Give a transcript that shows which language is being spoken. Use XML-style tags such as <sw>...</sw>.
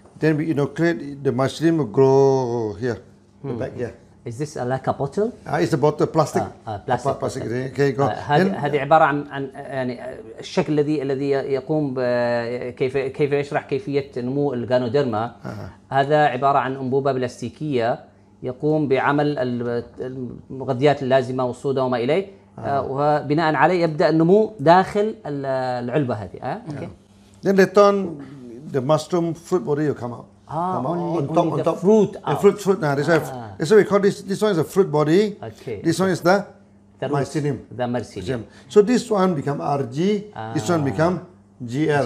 <en>Then we inoculate the mushroom will grow here. The bag here. Is this a, like a bottle? It's a bottle, plastic. Plastic. Okay, go.</en> <ar>هذه عبارة عن يعني الشكل الذي يقوم كيف يشرح كيفية نمو الغانوديرما. هذا عبارة عن أنبوبة بلاستيكية يقوم بعمل المغذيات اللازمة والصودا وما إليه. وبناء عليه يبدأ النمو داخل العلبة هذه.</ar> <en>Then they turn the mushroom fruit body will come out. On top, fruit. Now this is what we call this. This one is a fruit body. Okay. This one is the mycelium. The mycelium. So this one become RG. This one become GL.</en>